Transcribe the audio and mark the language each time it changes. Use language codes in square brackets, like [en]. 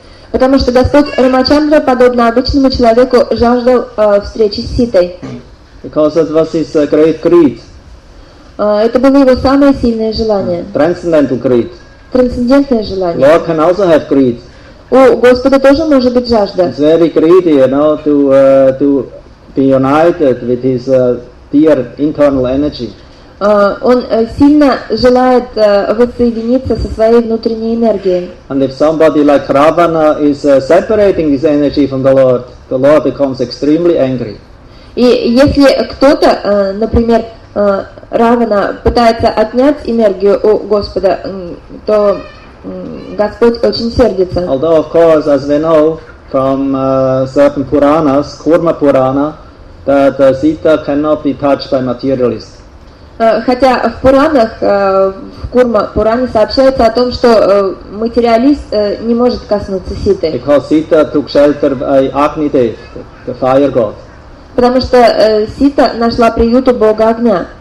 [ru] Потому что Господь Рамачандра, подобно обычному человеку, жаждал встречи с Ситой. [en] Because it was his great greed. [ru] Это было его самое сильное желание. [en] Transcendental greed. [ru] Трансцендентное желание. [en] Lord can also have greed. [ru] У Господа тоже может быть жажда. [en] It's very greedy, you know, to be united with his dear internal energy. [ru] Он сильно желает воссоединиться со своей внутренней энергией. [en] And if somebody like Ravana is separating his energy from the Lord becomes extremely angry. [ru] И если кто-то, например, Равана, пытается отнять энергию у Господа, то Господь очень сердится. [en] Although, of course, as we know from certain Puranas, Kurma Purana, that Sita cannot be touched by materialists. [ru] Хотя в Пуранах, в Курма Пуране сообщается о том, что материалист не может коснуться Ситы. [en] Because Sita took shelter by Agni Dev, the fire god. [ru] Потому что Сита нашла приют у бога огня.